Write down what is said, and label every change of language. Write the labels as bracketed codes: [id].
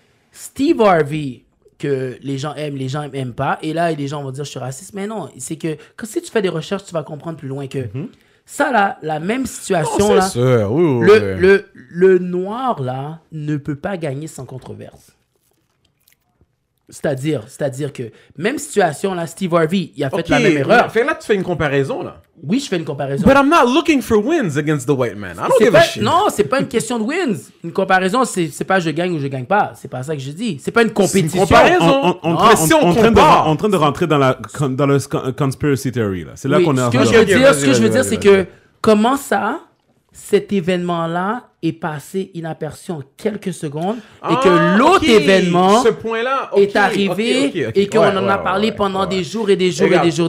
[fr] Steve Harvey, que les gens aiment, et là, les gens vont dire « je suis raciste », mais non, c'est que quand, si tu fais des recherches, tu vas comprendre plus loin que ça, là, la même situation, le noir, là, ne peut pas gagner sans controverse. C'est-à-dire que même situation là, Steve Harvey, il a fait la même erreur. Fait là, tu fais une comparaison là. Oui, je fais une comparaison. [en] But I'm not looking for wins against the white man. I don't give a shit. [fr] Non, c'est pas une question de wins. Une comparaison, c'est pas je gagne ou je gagne pas. C'est pas ça que je dis. C'est pas une compétition. C'est une comparaison. En train de rentrer dans le [en] conspiracy theory [fr] là. C'est là qu'on est. Ce que je veux dire, c'est que comment ça, cet événement là est passé inaperçu en quelques secondes et que l'autre événement est arrivé et qu'on en a parlé pendant des jours et des jours